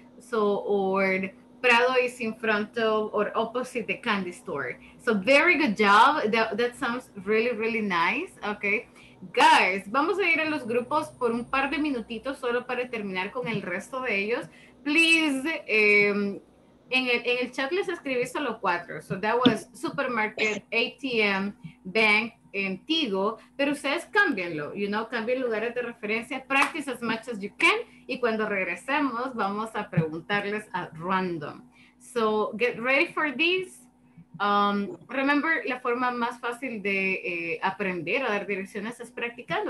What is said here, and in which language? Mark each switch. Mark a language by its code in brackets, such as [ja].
[en] So, or Prado is in front of or opposite the candy store. So, very good job. That sounds really, really nice. Okay. [es] Guys, vamos a ir a los grupos por un par de minutitos solo para terminar con el resto de ellos. Please, en el chat les escribí solo cuatro. [en] So, that was supermarket, ATM, bank, and Tigo. Pero ustedes cámbienlo, you know, cambien lugares de referencia. Practice as much as you can. [es] Y cuando regresemos, vamos a preguntarles a random. So, get ready for this. Remember, la forma más fácil de aprender a dar direcciones es practicando.